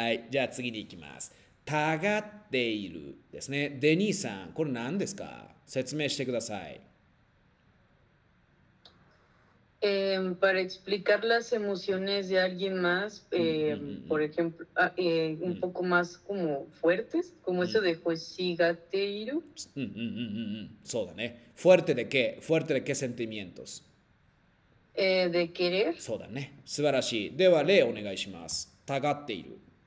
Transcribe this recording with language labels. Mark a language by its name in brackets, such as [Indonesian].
[Japanese] じゃあ次に行きます。たがっているですね。デニーさん、これ何ですか？説明してください。 [Spanish] Para explicar las emociones de alguien más, por ejemplo, un poco más como fuertes, como eso de Hoshigateiru. そうだね。¿Fuerte de qué? ¿Fuerte de qué sentimientos? De querer. [Japanese] そうだね。素晴らしい。では、例お願いします。たがっている。